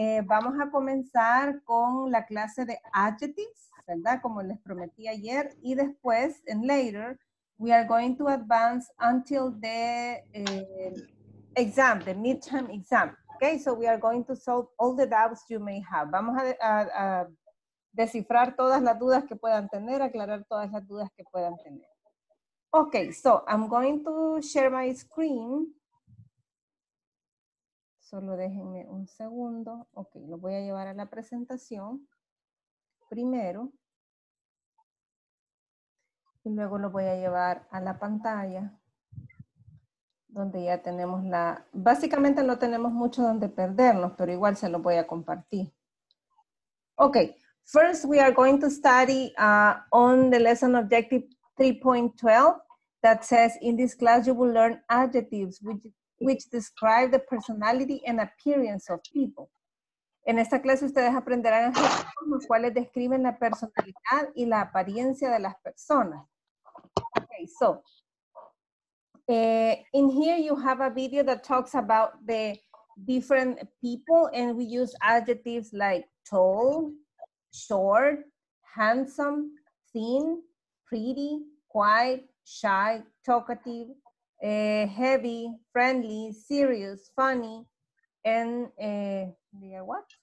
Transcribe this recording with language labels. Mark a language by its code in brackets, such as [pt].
[es] Vamos a comenzar con la clase de adjectives, ¿verdad? Como les prometí ayer. Y después, [en] and later, we are going to advance until the exam, the midterm exam. Okay, so we are going to solve all the doubts you may have. [es] Vamos a descifrar todas las dudas que puedan tener, aclarar todas las dudas que puedan tener. [en] Okay, so I'm going to share my screen. [es] Solo déjenme un segundo. Okay, lo voy a llevar a la presentación primero. Y luego lo voy a llevar a la pantalla, donde ya tenemos la... Básicamente no tenemos mucho donde perdernos, pero igual se lo voy a compartir. [en] Okay, first we are going to study on the lesson objective 3.12 that says, in this class you will learn adjectives which describe the personality and appearance of people. [es] En esta clase ustedes aprenderán adjetivos los cuales describen la personalidad y la apariencia de las personas. [en] Okay, so... in here you have a video that talks about the different people, and we use adjectives like tall, short, handsome, thin, pretty, quiet, shy, talkative, heavy, friendly, serious, funny, and what?